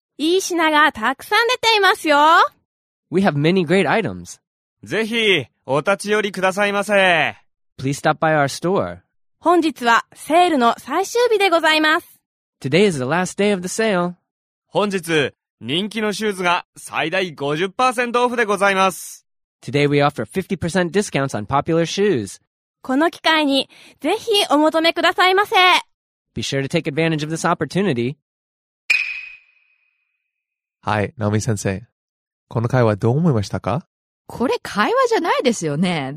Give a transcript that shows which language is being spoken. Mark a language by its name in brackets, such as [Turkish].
[Japanese] いい品がたくさん出ていますよ。 [English] We have many great items. [Japanese] ぜひお立ち寄りくださいませ。 [English] Please stop by our store. [Japanese] 本日はセールの最終日でございます。 [English] Today is the last day of the sale. [Japanese] 本日人気のシューズが最大 50% オフでございます。 [English] Today we offer 50% discounts on popular shoes. [Japanese] この機会にぜひお求めくださいませ。 [English] Be sure to take advantage of this opportunity. [Japanese] はい、ナオミ先生。この会話どう思いましたか？これ会話じゃないですよね。